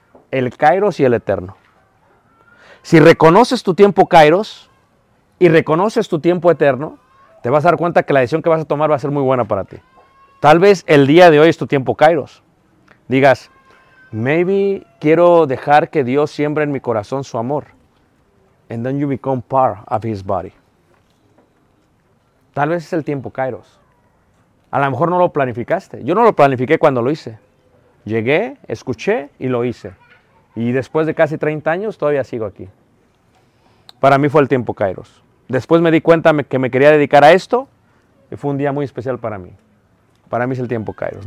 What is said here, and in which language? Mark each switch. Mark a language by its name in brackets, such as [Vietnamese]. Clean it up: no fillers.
[Spanish] El kairos y el eterno. Si reconoces tu tiempo kairos y reconoces tu tiempo eterno, te vas a dar cuenta que la decisión que vas a tomar va a ser muy buena para ti. Tal vez el día de hoy es tu tiempo kairos. Digas, maybe quiero dejar que Dios siembre en mi corazón su amor. [English] And then you become part of his body. [Spanish] Tal vez es el tiempo kairos. A lo mejor no lo planificaste. Yo no lo planifiqué cuando lo hice. Llegué, escuché y lo hice. Y después de casi 30 años todavía sigo aquí. Para mí fue el tiempo kairos. Después me di cuenta que me quería dedicar a esto y fue un día muy especial para mí. Para mí es el tiempo kairos.